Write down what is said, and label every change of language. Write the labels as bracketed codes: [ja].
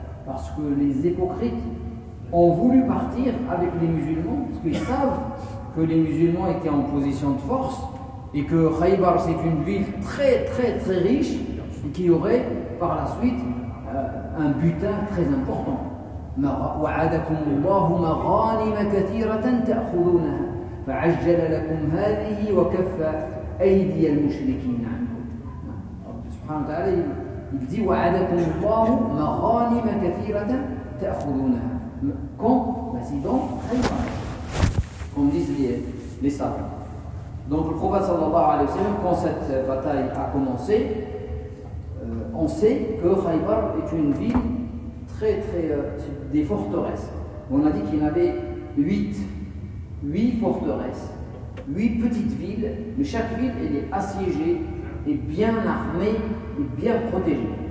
[fr] Parce que les hypocrites ont voulu partir avec les musulmans, parce qu'ils savent que les musulmans étaient en position de force, et que Khaybar c'est une ville très très très riche et qui aurait par la suite un butin très important. [ar] وعدكم الله مغانم كثيرة تأخذونها فعجل لكم هذه وكف أيدي المشركين عنكم. سبحانه وتعالى [fr] il dit [ar] وعدكم الله مغانم كثيرة تأخذونها. [fr] Quand? Ben c'est donc Khaybar. Comme disent les savants. Donc le prophète sallallahu alayhi wa sallam, quand cette bataille a commencé, on sait que Khaybar est une ville très très des forteresses. On a dit qu'il y avait huit forteresses, huit petites villes, mais chaque ville elle est assiégée et bien armée et bien protégée.